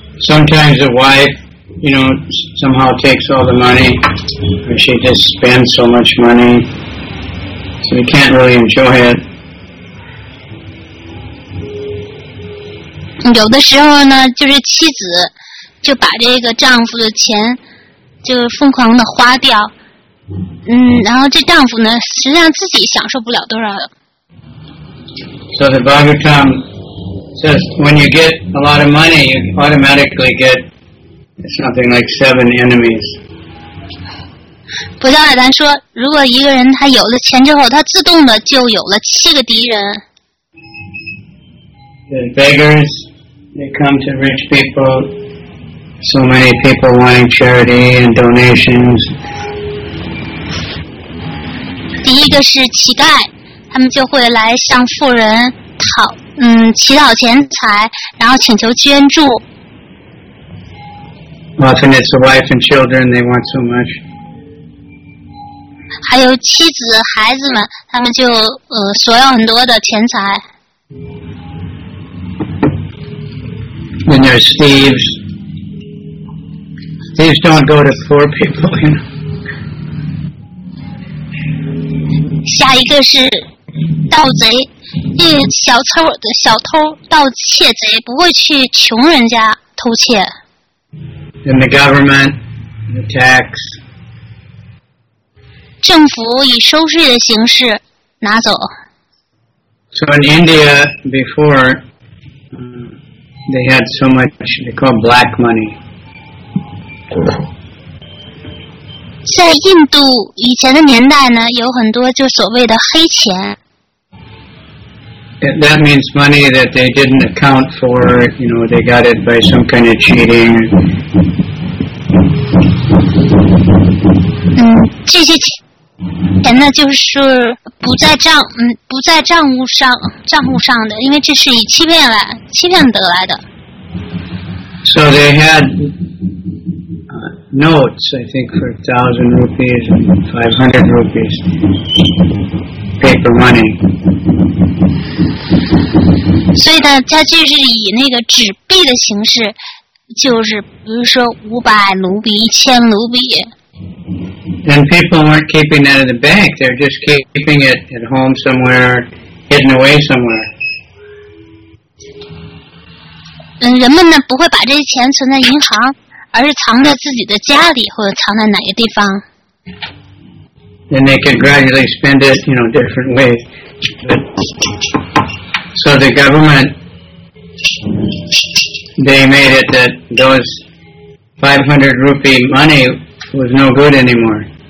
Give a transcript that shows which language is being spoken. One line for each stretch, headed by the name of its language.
English: Sometimes a wife, somehow takes all the money, or she just spends so much money, so you can't really enjoy it.
Chinese: 有的时候呢，就是妻子就把这个丈夫的钱就疯狂的花掉，然后这丈夫呢，实际上自己享受不了多少。
English: So the Bhagavatam says when you get a lot of money, you automatically get something like 7 enemies.
Chinese: 佛教海丹说，如果一个人他有了钱之后，他自动的就有了7个敌人。
English: The beggars, they come to rich people. So many people wanting charity and donations.
Chinese: 第一个是乞丐。他们就会来向富人讨乞讨钱财，然后请求捐助。
English: Often it's the wife and children they want so much.
Chinese: 还有妻子孩子们，他们就索要很多的钱财。
English: And there's thieves. Thieves don't go to poor people, you know.
Chinese: 下一个是。盗贼，因为小偷盗窃贼不会去穷人家偷窃。
English: And the government, the tax.
Chinese: 政府以收税的形式拿走。
English: So in India before, they had so much they call black money.
Chinese: 在印度以前的年代呢，有很多就所谓的黑钱。
English: That means money that they didn't account for, they got it by some kind of cheating.
Chinese: 这些钱呢就是不在账户上的，因为这是以欺骗得来的。
English: So they had notes, I think, for 1,000 rupees and 500 rupees, paper money.
Chinese: 所以呢，他就是以那个纸币的形式，就是比如说500卢比、1000卢比。
English: And people weren't keeping that in the bank. They're just keeping it at home somewhere, hidden away somewhere.
Chinese: 嗯，人们呢不会把这些钱存在银行，而是藏在自己的家里或者藏在哪个地方。
English: And they could gradually spend it, you know, different ways. So the government, they made it that those 500 rupee money was no good anymore.